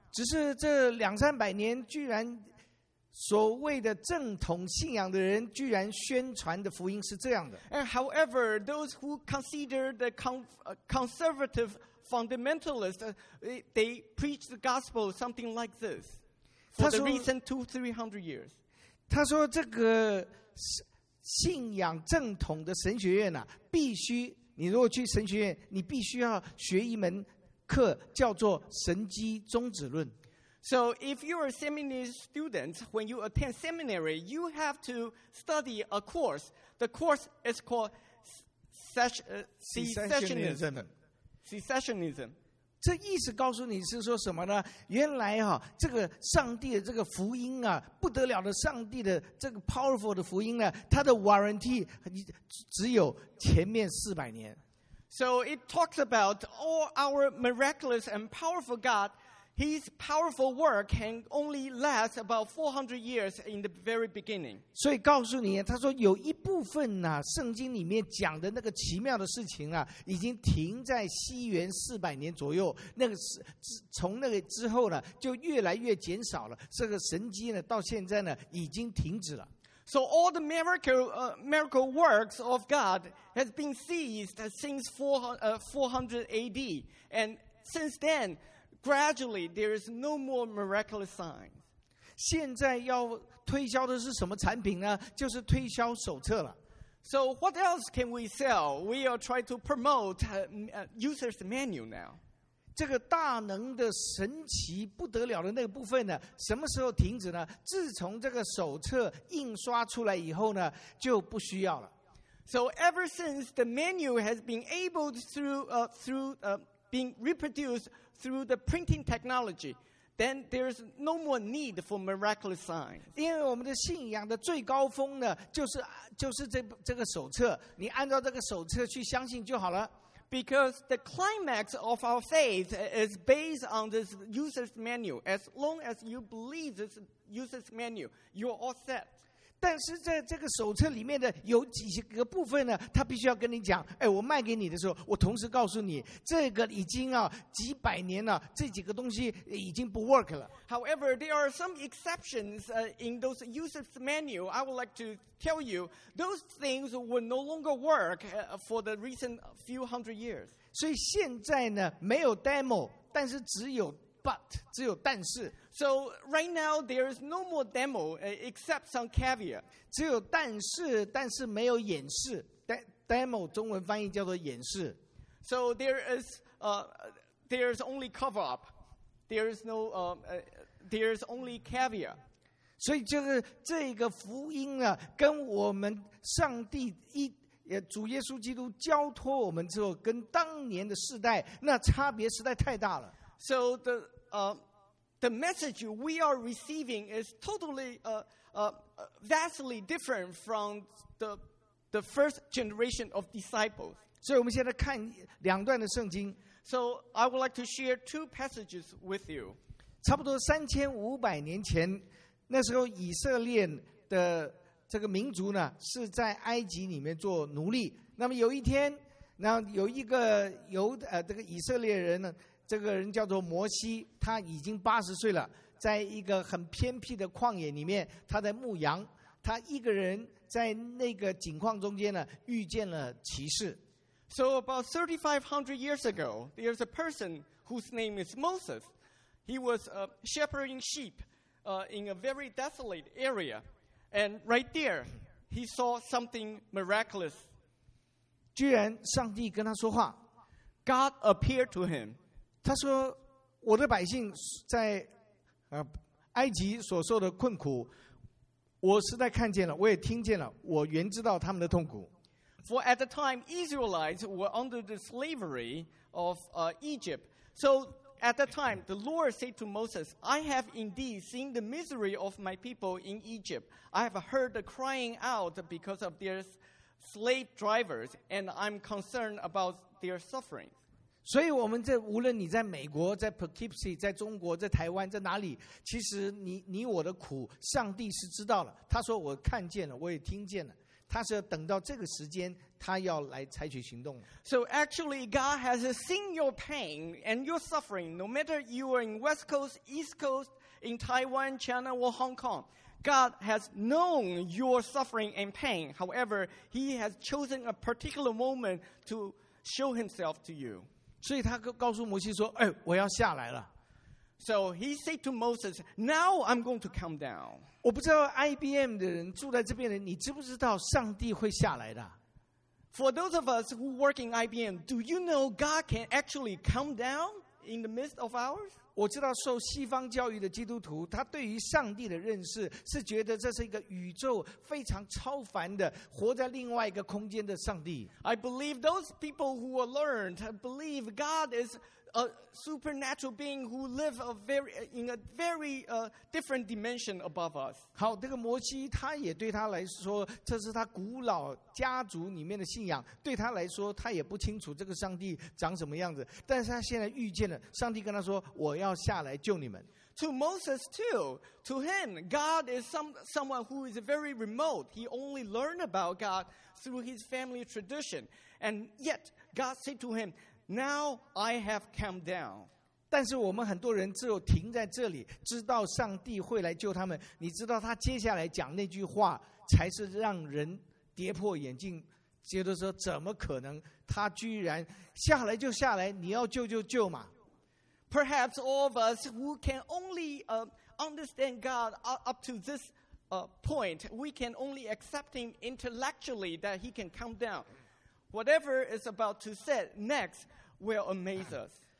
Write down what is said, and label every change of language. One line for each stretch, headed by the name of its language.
Chinese: 只是这两三百年居然所谓的正统信仰的人居然宣传的福音是这样的。
English: And however, those who consider the conservative fundamentalists, they preach the gospel something like this for the recent 200-300 years.
Chinese: 他说这个信仰正统的神学院、啊、必须你如果去神学院你必须要学一门课叫做神迹终止论
English: So if you are a seminary student, when you attend seminary, you have to study a course. The course is called secessionism. Secessionism.
Chinese: 这意思告诉你是说什么呢？原来哈、啊，这个上帝的这个福音啊，不得了的上帝的这个 powerful 的福音呢、啊，它的 warranty 只有前面四百年。
English: So it talks about all our miraculous and powerful God, His powerful work can only last about 400 years in the very beginning.
Chinese: 所以告诉你，他说有一部分呢、啊，圣经里面讲的那个奇妙的事情啊，已经停在西元四百年左右。那个从那个之后呢，就越来越减少了。这个神迹呢，到现在呢，已经停止了。
English: So all the miracle works of God has been ceased since 400 AD. And since then, gradually, there is no more miraculous signs.
Chinese: 现在要推销的是什么产品呢？就是推销手册了。
English: So what else can we sell? We are trying to promote user's manual now.
Chinese: 这个大能的神奇不得了的那个部分呢，什么时候停止呢？自从这个手册印刷出来以后呢，就不需要了。
English: So ever since the manual has been able through being reproduced through the printing technology, then there is no more need for miraculous signs.
Chinese: 因为我们的信仰的最高峰呢，就是这个手册，你按照这个手册去相信就好了。
English: Because the climax of our faith is based on this user's manual. As long as you believe this user's manual, you're all set.
Chinese: 但是在这个手册里面的有几个部分呢，他必须要跟你讲，哎，我卖给你的时候，我同时告诉你，这个已经啊几百年了，这几个东西已经不 work 了。
English: However, there are some exceptions in those user's manual. I would like to tell you, those things will no longer work for the recent few hundred years.
Chinese: 所以现在呢，没有 demo, 但是只有 but, 只有但是。
English: So right now there is no more demo except some caveat.
Chinese: 只有但是，但是没有演示。Demo 中文翻译叫做演示。
English: So there is only cover up. There is no there is only caveat.
Chinese: 所以就是这个福音呢、啊，跟我们上帝主耶稣基督交托我们之后，跟当年的世代那差别实在太大了。
English: So the message we are receiving is totally vastly different from the first generation of disciples.
Chinese: 所以我们现在看两段的圣经。
English: So I would like to share two passages with you.
Chinese: 差不多三千五百年前，那时候以色列的这个民族呢，是在埃及里面做奴隶。那么有一天，那有一个这个以色列人呢，这个人叫做摩西，他已经八十岁了，在一个很偏僻的旷野里面，他在牧羊，他一个人在那个景况中间呢，遇见了骑士。
English: So about 3,500 years ago, there's a person whose name is Moses. He was shepherding sheep in a very desolate area. And right there, he saw something miraculous.
Chinese: 居然上帝跟他说话。
English: God appeared to him.
Chinese: 他说我的百姓在埃及所受的困苦，我实在看见了，我也听见了，我原知道他们的痛苦。
English: For at the time, Israelites were under the slavery of Egypt. So at the time, the Lord said to Moses, I have indeed seen the misery of my people in Egypt. I have heard the crying out because of their slave drivers, and I'm concerned about their suffering.
Chinese: 所以我们这无论你在美国，在 Poughkeepsie, 在中国，在台湾，在哪里，其实你我的苦，上帝是知道了。他说我看见了，我也听见了。他是等到这个时间，他要来采取行动。
English: So actually, God has seen your pain and your suffering, no matter you are in West Coast, East Coast, in Taiwan, China, or Hong Kong. God has known your suffering and pain. However, He has chosen a particular moment to show Himself to you.
Chinese: 所以他告诉摩西说：“哎，我要下来了。”
English: So he said to Moses, "Now I'm going to come down."
Chinese: 我不知道 IBM 的人住在这边的人，你知不知道上帝会下来的？
English: For those of us who work in IBM, do you know God can actually come down in the midst of ours?
Chinese: 我知道受西方教育的基督徒，他对于上帝的认识是觉得这是一个宇宙非常超凡的活在另外一个空间的上帝。
English: I believe those people who are learned believe God is a supernatural being who live in a very different dimension above us.
Chinese: 好，这个摩西他也对他来说，这是他古老家族里面的信仰，对他来说他也不清楚这个上帝长什么样子，但是他现在遇见了上帝，跟他说我要下来救你们。
English: To Moses too, to him, God is someone who is very remote. He only learned about God through his family tradition. And yet, God said to him, Now I have come down.
Chinese: 但是我们很多人只有停在这里，知道上帝会来救他们，你知道他接下来讲那句话才是让人跌破眼镜，觉得说怎么可能，他居然下来就下来，你要救就救嘛。
English: Perhaps all of us who can only understand God up to this point, we can only accept him intellectually that he can come down. Whatever is about to say next will amaze us.